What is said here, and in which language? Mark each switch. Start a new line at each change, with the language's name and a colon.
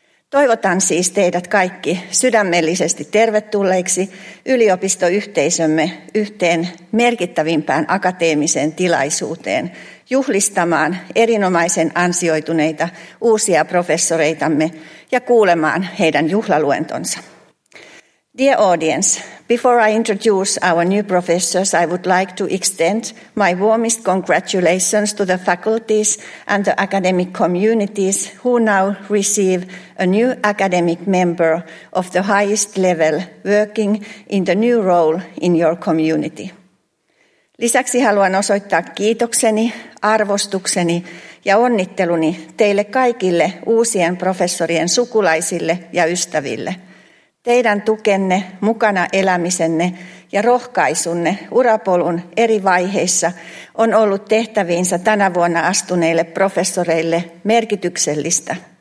Finnish: Toivotan siis teidät kaikki sydämellisesti tervetulleiksi yliopistoyhteisömme yhteen merkittävimpään akateemiseen tilaisuuteen juhlistamaan erinomaisen ansioituneita uusia professoreitamme ja kuulemaan heidän juhlaluentonsa.
English: Dear audience, before I introduce our new professors, I would like to extend my warmest congratulations to the faculties and the academic communities who now receive a new academic member of the highest level working in the new role in your community.
Finnish: Lisäksi haluan osoittaa kiitokseni, arvostukseni ja onnitteluni teille kaikille uusien professorien sukulaisille ja ystäville. Teidän tukenne, mukana elämisenne ja rohkaisunne urapolun eri vaiheissa on ollut tehtäviinsä tänä vuonna astuneille professoreille merkityksellistä.